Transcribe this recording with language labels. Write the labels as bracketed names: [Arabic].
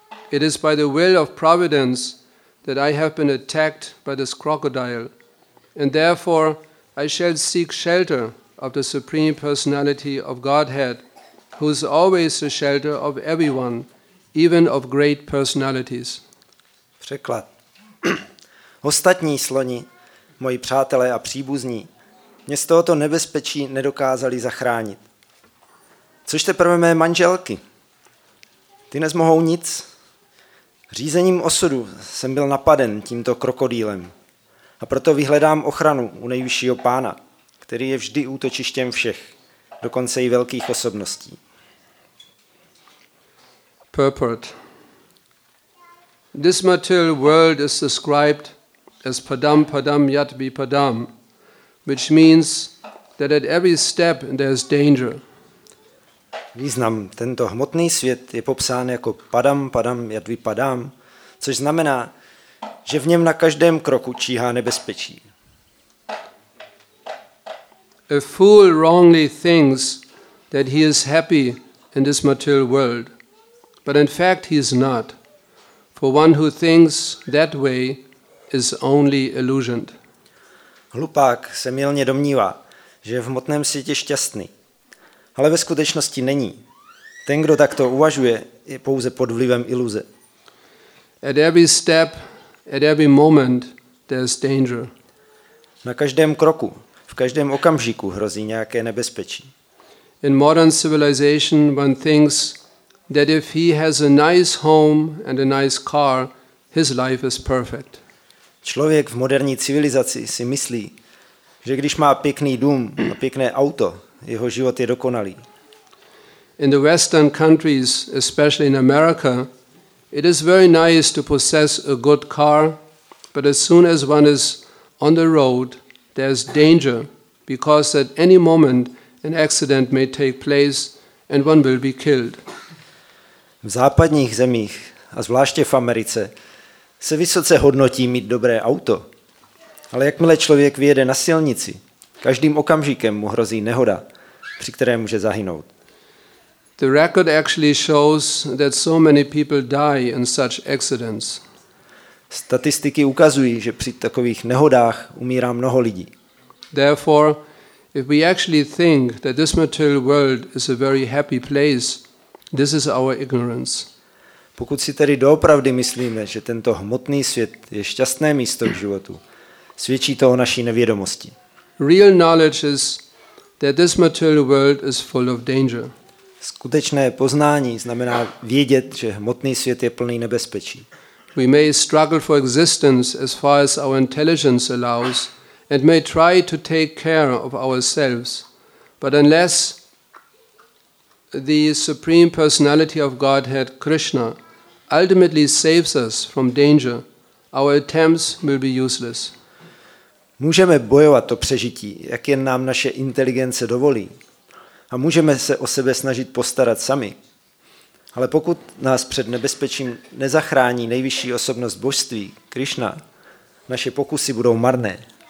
[English] It is by the will of Providence that I have been attacked by this crocodile, and therefore I shall seek shelter of the Supreme Personality of Godhead, who is always the shelter of everyone, even of great personalities. [Czech] Překlad. Ostatní sloni, moji přátelé a příbuzní, mě z tohoto nebezpečí nedokázali zachránit. Což teprve mé manželky? Ty nezmohou nic. Řízením osudu jsem byl napaden tímto krokodýlem a proto vyhledám ochranu u nejvyššího pána, který je vždy útočištěm všech, dokonce i velkých osobností. [English] Purport. This material world is described as [Sanskrit] padam padam yat vipadam, [English] which means that at every step there is danger. [Czech] Význam, tento hmotný svět je popsán jako padam, padam, jak vypadám, což znamená, že v něm na každém kroku číhá nebezpečí. [English] A fool wrongly thinks that he is happy in this material world, but in fact he is not, for one who thinks that way is only illusioned. [Czech] Hlupák se mylně domnívá, že je v hmotném světě šťastný, ale ve skutečnosti není. Ten, kdo takto uvažuje, je pouze pod vlivem iluze. [English] At every step, at every moment, there's danger. [Czech] Na každém kroku, v každém okamžiku hrozí nějaké nebezpečí. [English] In modern civilization, one thinks that if he has a nice home and a nice car, his life is perfect. [Czech] Člověk v moderní civilizaci si myslí, že když má pěkný dům a pěkné auto, jeho život je dokonalý. [English] In the Western countries, especially in America, it is very nice to possess a good car, but as soon as one is on the road, there's danger, because at any moment an accident may take place and one will be killed. [Czech] V západních zemích, a zvláště v Americe, se vysoce hodnotí mít dobré auto. Ale jakmile člověk vyjede na silnici, každým okamžikem mu hrozí nehoda, při které může zahynout. [English] The record actually shows that so many people die in such accidents. [Czech] Statistiky ukazují, že při takových nehodách umírá mnoho lidí. [English] Therefore, if we actually think that this material world is a very happy place, this is our ignorance. [Czech] Pokud si tedy doopravdy myslíme, že tento hmotný svět je šťastné místo k životu, svědčí to o naší nevědomosti. [English] Real knowledge is that this material world is full of danger. [Czech] Skutečné poznání znamená vědět, že hmotný svět je plný nebezpečí. [English] We may struggle for existence as far as our intelligence allows and may try to take care of ourselves, but unless the Supreme Personality of Godhead, Krishna, ultimately saves us from danger, our attempts will be useless. [Czech] Můžeme bojovat o přežití, jak jen nám naše inteligence dovolí. A můžeme se o sebe snažit postarat sami. Ale pokud nás před nebezpečím nezachrání nejvyšší osobnost božství, Krishna, naše pokusy budou marné.